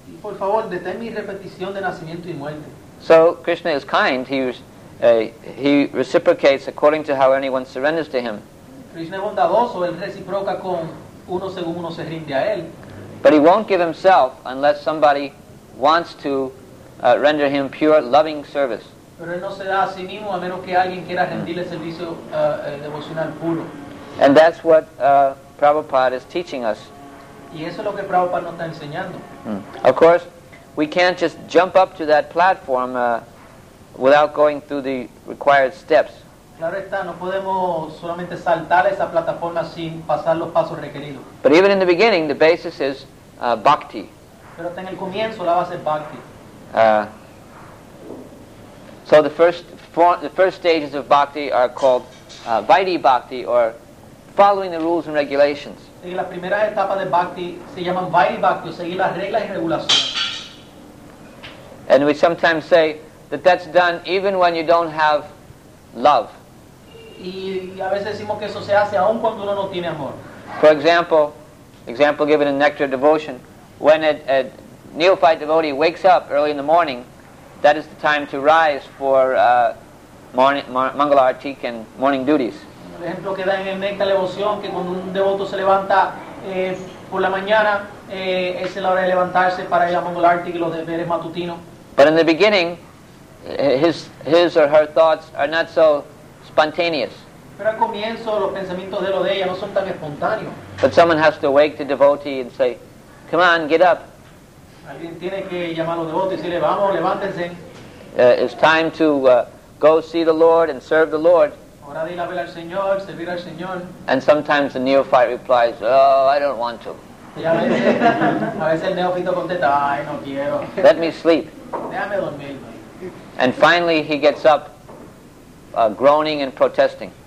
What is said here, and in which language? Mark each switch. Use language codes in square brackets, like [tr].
[es] Por favor, detén mi repetición de nacimiento y muerte. [en] So Krishna is kind. He reciprocates according to how anyone surrenders to him. [es] Krishna es bondadoso. Él reciproca con uno según uno se rinde a él. [en] But he won't give himself unless somebody wants to render him pure, loving service. [es] Pero él no se da a sí mismo a menos que alguien quiera rendirle servicio devocional puro. [en] And that's what Prabhupada is teaching us. [es] Y eso es lo que Prabhupada nos está enseñando. [en] Of course, we can't just jump up to that platform without going through the required steps. [es] Claro está, no podemos solamente saltar esa plataforma sin pasar los pasos requeridos. [en] But even in the beginning, the basis is bhakti. [es] Pero hasta en el comienzo la base es bhakti. [en] So the first stages of bhakti are called vaidhi bhakti, or following the rules and regulations. [es] Y las primeras etapas de bhakti se llaman vaidhi bhakti, o seguir las reglas y regulaciones. [en] And we sometimes say that that's done even when you don't have love. [es] Y a veces decimos que eso se hace aun cuando uno no tiene amor. [en] For example, given in Nectar Devotion, when a neophyte devotee wakes up early in the morning, that is the time to rise for Mangala Aarti and morning duties. [es] Por ejemplo, que da en el Nectar Devotion que cuando un devoto se levanta por la mañana, es la hora de levantarse para ir a Mangala Aarti y los deberes matutinos. [en] But in the beginning, his or her thoughts are not so spontaneous. [es] Pero al comienzo, los pensamientos de lo de ella no son tan espontáneos. [en] But someone has to wake the devotee and say, come on, get up. [es] Alguien tiene que llamar a los devotos y decirle, vamos, levántense. [en] It's time to go see the Lord and serve the Lord. [es] Ahora de ir a ver al Señor, servir al Señor. [en] And sometimes the neophyte replies, oh, I don't want to. [es] Y a veces el neófito contesta, ay, no quiero. [en] Let me sleep. [es] Déjame dormir. [en] And finally he gets up groaning and protesting.